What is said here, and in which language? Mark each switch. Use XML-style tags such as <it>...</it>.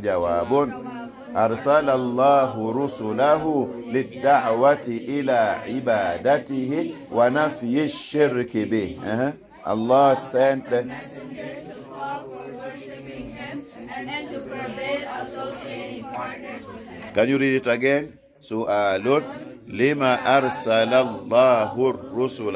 <ar>جواب أرسل الله رسله للدعوة إلى عبادته ونفي الشرك به.</ar> <en>Allah sent the messengers to call for worshiping him and then to forbid associating partners with him. Can you read it again?</en> <ar>سؤال لما أرسل الله الرسل.</ar>